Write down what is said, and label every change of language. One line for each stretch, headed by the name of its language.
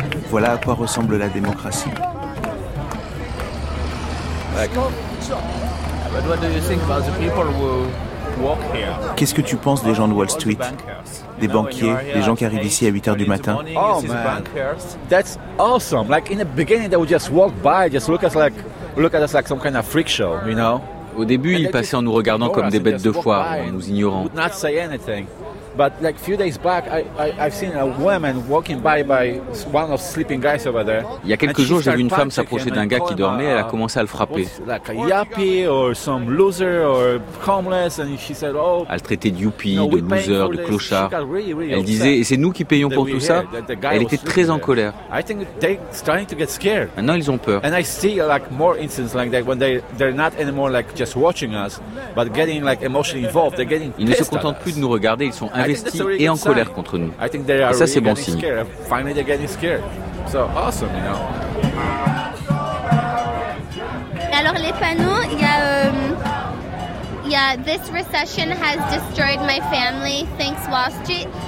French: Voilà à quoi ressemble la démocratie. Qu'est-ce que tu penses des gens de Wall Street ? Des banquiers, des gens qui arrivent ici à 8h du matin.
English: Oh man, that's awesome. Like in the beginning they would just walk by, just look at us like some kind of freak show, you know.
French: Au début, ils passaient en nous regardant comme des bêtes de foire en nous ignorant.
English: Would not say anything. But like a few days back, I've seen a woman walking by one of sleeping guys over there.
French: Il y a quelques jours, j'ai vu une femme s'approcher d'un gars qui dormait et elle a commencé à le frapper.
English: Like a yuppie or some loser or homeless, and she said, oh.
French: Elle traitait de yuppie, de loser, de clochard. Elle disait, et c'est nous qui payons pour tout ça. Elle était très en colère.
English: I think they're starting to get scared.
French: Maintenant, ils ont peur.
English: And I see like more instances like that when they're not anymore like just watching us, but getting like emotionally involved. They're getting pissed.
French: Ils ne se contentent plus de nous regarder. Ils sont investis et en colère contre nous. Et ça, c'est bon signe.
English: So awesome, you know.
French: Alors les panneaux, il y a
English: this recession has destroyed my family. Thanks Wall Street.